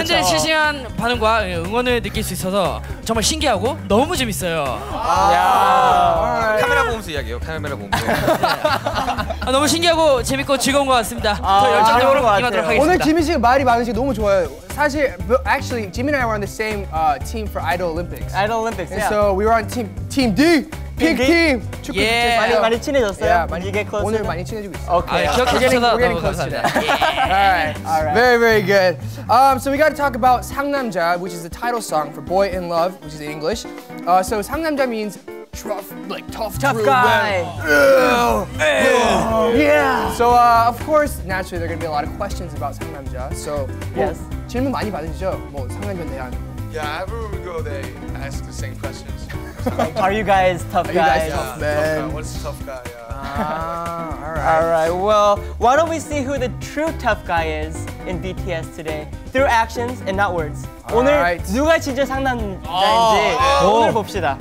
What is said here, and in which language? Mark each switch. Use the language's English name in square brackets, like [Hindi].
[Korean] 현재 실시간 반응과 응원을 느낄 수 있어서 정말 신기하고 너무 재밌어요. 야. Right. 카메라 보면서 이야기해요. 카메라 보면서. 네. 아, 너무 신기하고 재밌고 즐거운 것 같습니다. 아, 더 열정적으로 진행하도록 하겠습니다. 오늘 지민 씨가 말이 많으신 게 너무 좋아요. 사실 [English] actually 지민 and I were on the same team for Idol Olympics. Idol Olympics. And so we were on team D. Pink team. [Korean] 축구 [English] yeah. [Korean] 많이 친해졌어요. [English] Yeah, [Korean] 많이 [English] get close. [Korean] 오늘 많이 친해지고 있어요. [English] Okay. [Korean] 아, 기억해 주셔서 너무 감사합니다. [English] Yeah. All right. All right. Very very good. So we got to talk about 상남자, which is the title song for Boy in Love, which is in English. So 상남자 means tough, like tough guy. Yeah. So of course, naturally there're going to be a lot of questions about 상남자. So yes. [Korean] 질문 많이 받으시죠? 뭐 상남자 대한 [English] Yeah, everywhere we go, they ask the same questions. Like, are you guys tough guys? Are you guys tough, man? Tough guy. What's a tough guy? All right. Well, why don't we see who the true tough guy is in BTS today through actions and not words. All [Korean] 오늘 [English] right. [Korean] 누가 진짜 상남자인지 오늘 봅시다.